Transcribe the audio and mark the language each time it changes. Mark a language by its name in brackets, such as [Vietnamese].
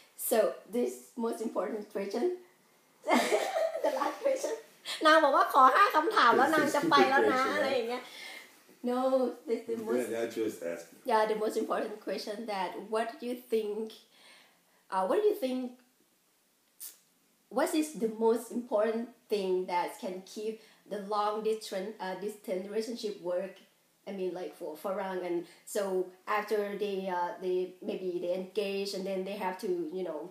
[English] So this most important question, the last question. [Thai] นางบอกว่าขอ5คำถามแล้วนางจะไปแล้วนะอะไรอย่างเงี้ย [English] No, this is the most. Yeah, that's just asking. Yeah, the most important question that what do you think? What do you think? What is the most important thing that can keep the long distance relationship work? I mean, like for Farang, and so after they maybe they engage and then they have to, you know,